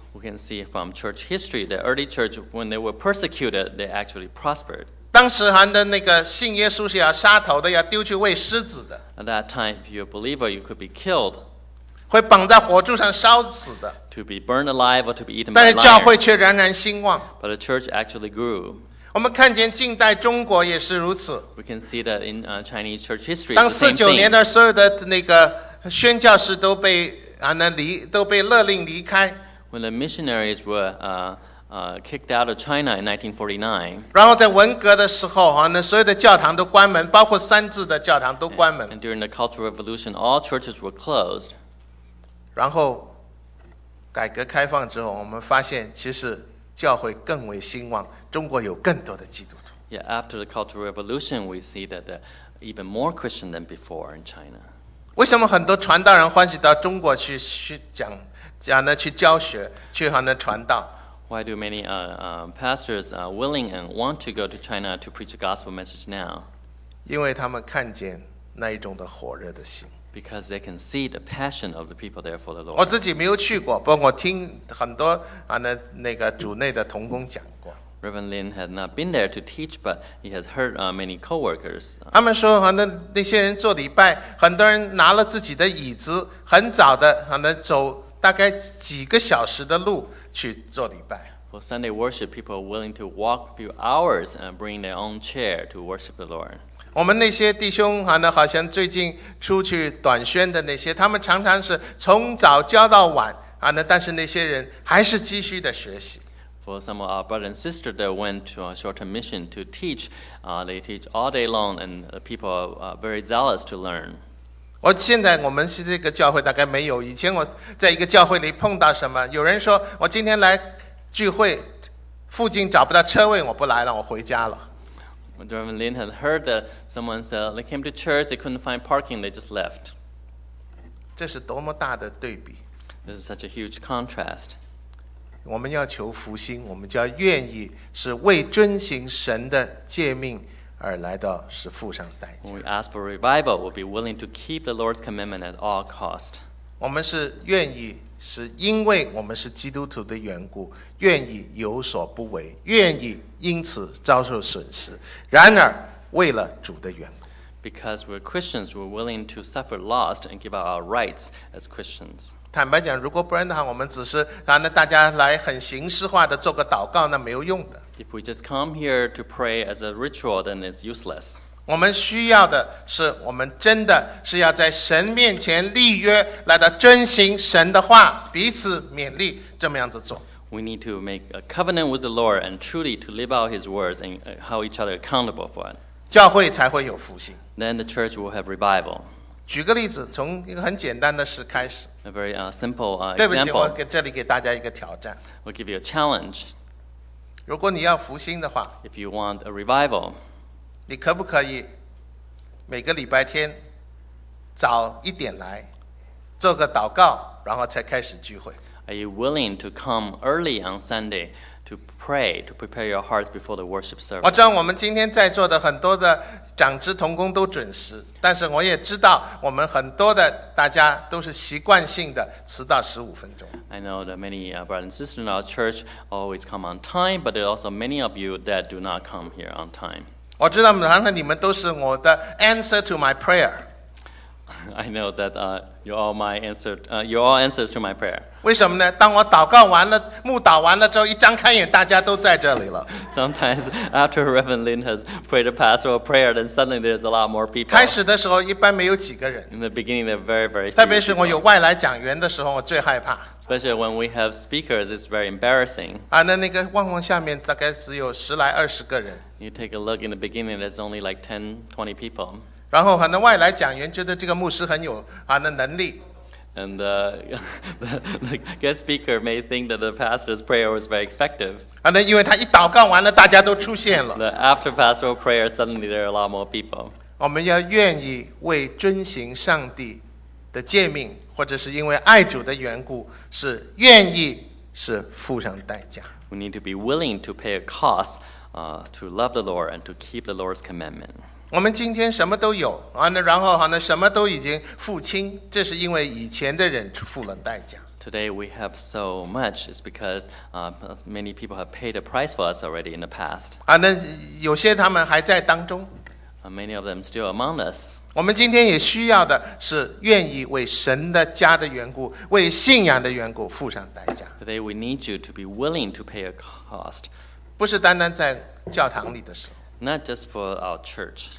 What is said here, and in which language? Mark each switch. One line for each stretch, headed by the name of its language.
English: We can see from church history, the early church, when they were persecuted, they actually prospered.
Chinese: 当时还的那个信耶稣是要杀头的，要丢去喂狮子的。
English: At that time, if you're a believer, you could be killed.
Chinese: 会绑在火柱上烧死的。
English: To be burned alive or to be eaten by liars.
Chinese: 但是教会却冉冉兴旺。
English: But the church actually grew.
Chinese: 我们看见近代中国也是如此。
English: We can see that in Chinese church history.
Chinese: 当49年的时候的那个宣教士都被勒令离开。
English: When the missionaries were kicked out of China in 1949.
Chinese: 然后在文革的时候，所有的教堂都关门，包括三自的教堂都关门。
English: And during the Cultural Revolution, all churches were closed.
Chinese: 然后改革开放之后，我们发现其实教会更为兴旺，中国有更多的基督徒。
English: Yeah, after the Cultural Revolution, we see that there even more Christians than before in China.
Chinese: 为什么很多传道人欢喜到中国去讲呢？去教学，去好那传道
English: ？Why do many pastors willing and want to go to China to preach the gospel message now?
Chinese: 因为他们看见那一种的火热的心。
English: Because they can see the passion of the people there for the Lord.
Chinese: 我自己没有去过，不过我听很多那个主内的同工讲过。
English: Reverend Lin had not been there to teach, but he had heard many co-workers.
Chinese: 他们说那些人做礼拜，很多人拿了自己的椅子，很早的走大概几个小时的路去做礼拜。
English: For Sunday worship, people are willing to walk a few hours and bring their own chair to worship the Lord.
Chinese: 我们那些弟兄好像最近出去短宣的那些，他们常常是从早教到晚，但是那些人还是继续的学习。
English: For some of our brothers and sisters that went to a short-term mission to teach, they teach all day long, and people are very zealous to learn.
Chinese: 我现在我们是这个教会大概没有，以前我在一个教会里碰到什么，有人说我今天来聚会，附近找不到车位，我不来了，我回家了。
English: Reverend Lin had heard that someone said they came to church, they couldn't find parking, they just left.
Chinese: 这是多么大的对比。
English: This is such a huge contrast.
Chinese: 我们要求复兴，我们就要愿意是为遵行神的诫命而来到，是付上代价。
English: When we ask for revival, we'll be willing to keep the Lord's commandment at all cost.
Chinese: 我们是愿意，是因为我们是基督徒的缘故，愿意有所不为，愿意因此遭受损失。然而，为了主的缘故。
English: Because we're Christians, we're willing to suffer loss and give up our rights as Christians.
Chinese: 坦白讲，如果不然的话，我们只是让大家来很形式化的做个祷告，那没有用的。
English: If we just come here to pray as a ritual, then it's useless.
Chinese: 我们需要的是，我们真的是要在神面前立约，来到遵行神的话，彼此勉励，这么样子做。
English: We need to make a covenant with the Lord and truly to live out His words and hold each other accountable for it.
Chinese: 教会才会有复兴。
English: Then the church will have revival.
Chinese: 举个例子，从一个很简单的事开始。
English: A very simple example.
Chinese: 对不起，我给这里给大家一个挑战。
English: We'll give you a challenge.
Chinese: 如果你要复兴的话
English: ，If you want a revival,
Chinese: 你可不可以每个礼拜天早一点来做个祷告，然后才开始聚会
English: ？Are you willing to come early on Sunday? To pray, to prepare your hearts before the worship service.
Chinese: 我知道我们今天在座的很多的长职同工都准时，但是我也知道我们很多的大家都是习惯性的迟到十五分钟。
English: I know that many brothers and sisters in our church always come on time, but there are also many of you that do not come here on time.
Chinese: 我知道，然后你们都是我的
English: answer to my prayer. I know that you're all answers to my prayer.
Chinese: 为什么呢？当我祷告完了、牧祷完了之后，一张开眼，大家都在这里了。
English: Sometimes after Reverend Lin has prayed a pastoral prayer, then suddenly there's a lot more people.
Chinese: 开始的时候一般没有几个人。
English: In the beginning, they're very, very few.
Chinese: 特别是我有外来讲员的时候，我最害怕。
English: Especially when we have speakers, it's very embarrassing.
Chinese: 那个望望下面大概只有十来二十个人。
English: You take a look in the beginning, there's only like 10, 20 people.
Chinese: 然后那外来讲员觉得这个牧师很有那能力。
English: And the guest speaker may think that the pastor's prayer was very effective. And then, because he
Chinese: 一祷告完了，大家都出现了。
English: The after pastoral prayer, suddenly there are a lot more people.
Chinese: 我们要愿意为遵行上帝的诫命，或者是因为爱主的缘故，是愿意是付上代价。
English: We need to be willing to pay a cost, to love the Lord and to keep the Lord's commandment.
Chinese: 我们今天什么都有然后什么都已经付清，这是因为以前的人付了代价。
English: Today we have so much, it's because many people have paid a price for us already in the past.
Chinese: 那有些他们还在当中。
English: Many of them still among us.
Chinese: 我们今天也需要的是愿意为神的家的缘故，为信仰的缘故付上代价。
English: Today we need you to be willing to pay a cost.
Chinese: 不是单单在教堂里的时候。
English: Not just for our church,